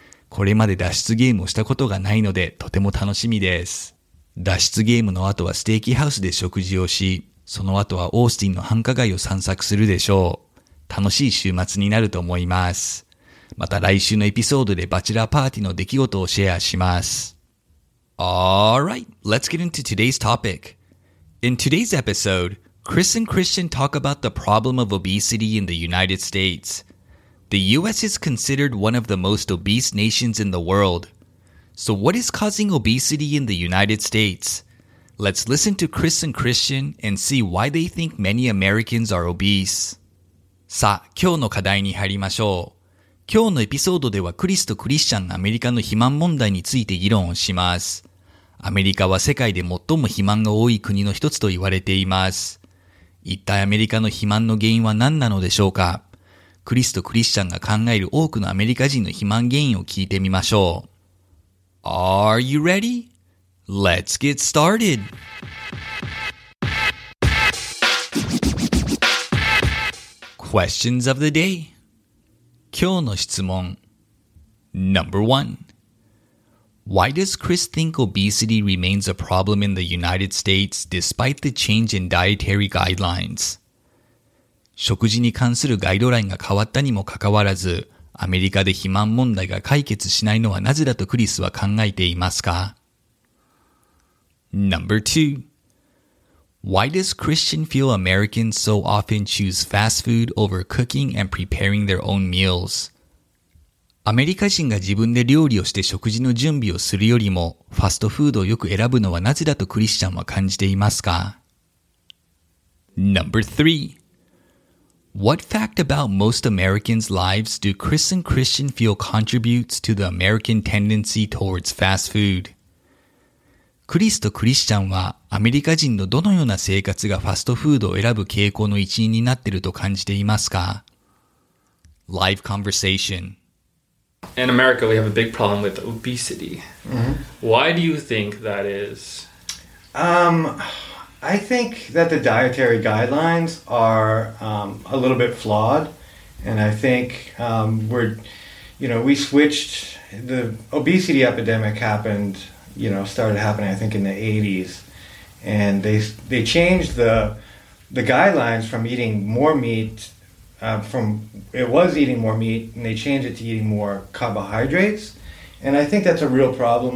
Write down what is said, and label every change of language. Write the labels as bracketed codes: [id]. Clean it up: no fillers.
[ja] これまで脱出ゲームをしたことがないので、とても楽しみです。脱出ゲームの後はステーキハウスで食事をし、その後はオースティンの繁華街を散策するでしょう。楽しい週末になると思います。また来週のエピソードでバチェラーパーティーの出来事をシェアします。 [en] Alright, let's get into today's topic. In today's episode, Chris and Christian talk about the problem of obesity in the United States. The U.S. is considered one of the most obese nations in the world. So what is causing obesity in the United States? Let's listen to Chris and Christian and see why they think many Americans are obese. [ja] さあ、今日の課題に入りましょう。今日のエピソードではクリスとクリスチャンがアメリカの肥満問題について議論をします。アメリカは世界で最も肥満が多い国の一つと言われています。一体アメリカの肥満の原因は何なのでしょうか？クリスとクリスチャンが考える多くのアメリカ人の肥満原因を聞いてみましょう。 [en] Are you ready? Let's get started! Questions of the day. [ja] 今日の質問。 [en] Number one. Why does Chris think obesity remains a problem in the United States despite the change in dietary guidelines? [ja] 食事に関するガイドラインが変わったにもかかわらず、アメリカで肥満問題が解決しないのはなぜだとクリスは考えていますか [en] ?Number 2. Why does Christian feel Americans so often choose fast food over cooking and preparing their own meals? [ja] アメリカ人が自分で料理をして食事の準備をするよりも、ファストフードをよく選ぶのはなぜだとクリスチャンは感じていますか [en] ?Number 3. What fact about most Americans' lives do Chris and Christian feel contributes to the American tendency towards fast food? [ja] クリスとクリスチャンはアメリカ人のどのような生活がファストフードを選ぶ傾向の一因になっていると感じていますか? [en] Live conversation. In America, we have a big problem with obesity. Mm-hmm. Why do you think that is? I think that the dietary guidelines are a little bit flawed, and I think we switched, the obesity epidemic happened, you know, started happening I think in the 80s, and they changed the guidelines from eating more meat, and they changed it to eating more carbohydrates, and I think that's a real problem.